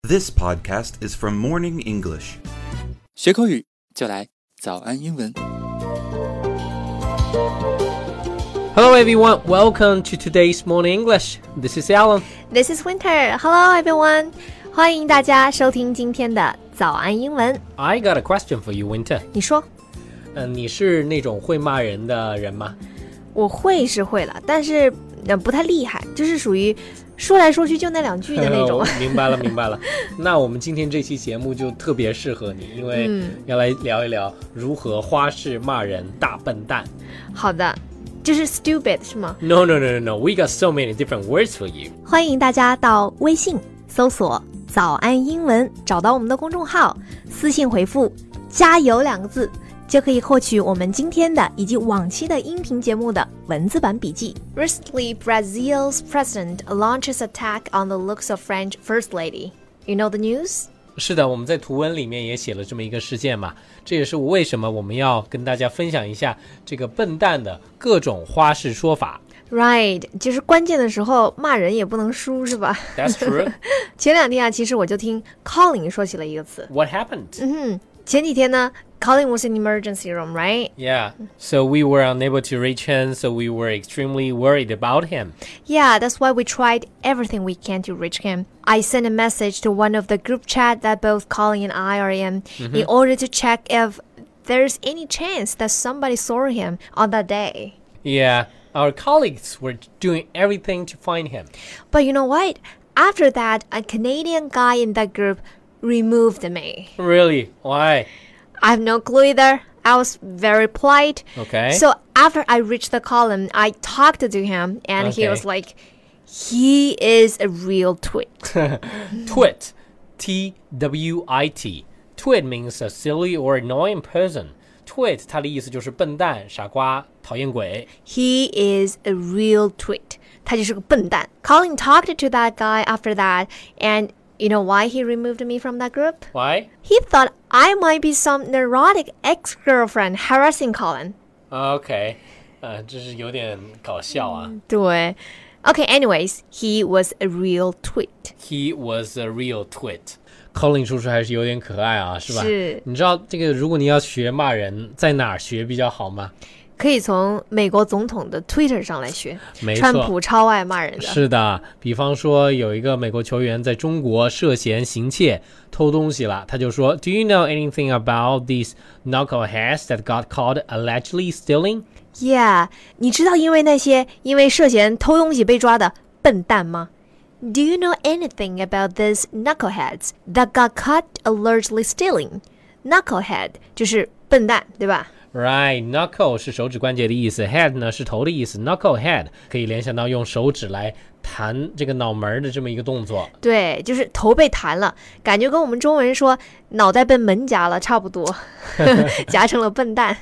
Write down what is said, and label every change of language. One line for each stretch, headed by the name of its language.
English: This podcast is from Morning English.
Chinese: 学口语就来早安英文。
English: Hello everyone, welcome to today's Morning English. This is Alan. This is Winter. Hello everyone.
Chinese: 欢迎大家收听今天的早安英文。
English: I got a question for you, Winter.
Chinese: 你说。你是那种会骂人的人吗？我会是会了，但是不太厉害，就是属于说来说去就那两句的那种。明白了，明白了。那我们今天这期节目就特别适合你，因为要来聊一聊如何花式骂人大笨蛋。好的，就是 stupid 是吗？
English: No. We got so many different words for you.
Chinese: 欢迎大家到微信搜索早安英文，找到我们的公众号，私信回复加油两个字，就可以获取我们今天的以及往期的音频节目的文字版笔记。
English: Recently, Brazil's president launches attack on the looks of French first lady. You know the news?
Chinese: 是的，我们在图文里面也写了这么一个事件嘛。这也是为什么我们要跟大家分享一下这个笨蛋的各种花式说法。 Right, 就是关键的时候骂人也不能输，是吧？
English: That's true.
Chinese: 前两天啊，其实我就听 Colin 说起了一个词。
English: What happened?
Chinese: 前几天呢，
English: Colin was in the emergency room, right? Yeah, so we were unable to reach him, so we were extremely worried about him. Yeah, that's why we tried everything we can to reach him. I sent a message to one of the group chat that both Colin and I are in, in order to check if there's any chance that somebody saw him on that day. Yeah, our colleagues were doing everything to find him. But you know what? After that, a Canadian guy in that group removed me. Really? Why? I have no clue either. I was very polite. Okay. So after I reached the column, I talked to him and he was like, he is a real twit. Twit. T-W-I-T. Twit means a silly or annoying person.
Chinese: Twit, 它的意思就是笨蛋、傻瓜、讨厌鬼。
English: He is a real twit.
Chinese: 他就是个笨蛋。
English: Colin talked to that guy after that andYou know why he removed me from that group? Why? He thought I might be some neurotic ex-girlfriend harassing Colin.
Chinese: Okay, 这是有点搞笑啊。对。
English: Okay, anyways, he was a real twit. He was a real twit.
Chinese: Colin 叔叔还是有点可爱啊，是吧？是。你知道这个如果你要学骂人，在哪儿学比较好吗？可以从美国总统的 Twitter 上来学，没错，川普超爱骂人的。是的，比方说有一个美国球员在中国涉嫌行窃偷东西了，他就说
English: Do you know anything about these knuckleheads that got caught allegedly stealing?
Chinese: Yeah, 你知道因为涉嫌偷东西被抓的笨蛋吗？
English: Do you know anything about these knuckleheads that got caught allegedly stealing?
Chinese: Knucklehead 就是笨蛋，对吧？ Right, knuckle 是手指关节的意思， head 呢是头的意思， knuckle head 可以联想到用手指来弹这个脑门的这么一个动作。对，就是头被弹了，感觉跟我们中文说脑袋被门夹了差不多，夹成了笨蛋。